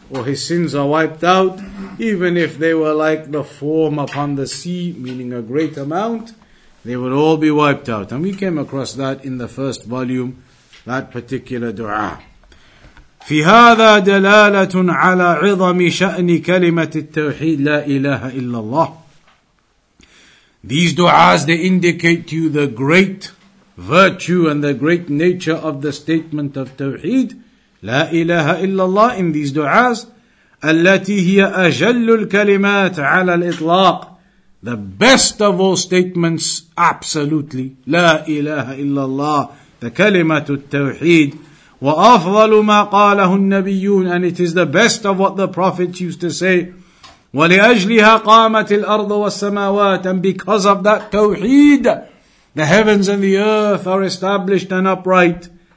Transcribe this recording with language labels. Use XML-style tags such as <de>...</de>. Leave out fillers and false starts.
<en>Or his sins are wiped out, even if they were like the foam upon the sea, meaning a great amount, they would all be wiped out. And we came across that in the first volume, that particular dua.</en> <ar>في هذا دلالة على عظم شأن كلمة التوحيد لا إله إلا الله.</ar> <en>These du'as, they indicate to you the great virtue and the great nature of the statement of tawheed.</en> <ar>لا إله إلا الله</ar> <en>in these du'as,</en> <ar>التي هي أجل الكلمات على الإطلاق,</ar> <en>the best of all statements, absolutely, لا إله إلا الله, the</en> <ar>كلمة التوحيد, وأفضل ما قاله النبيون,</ar> <en>and it is the best of what the prophets used to say,</en> <ar>ولأجلها قامت الأرض والسماوات,</ar> <en>and because of that توحيد, the heavens and the earth are established and upright,</en>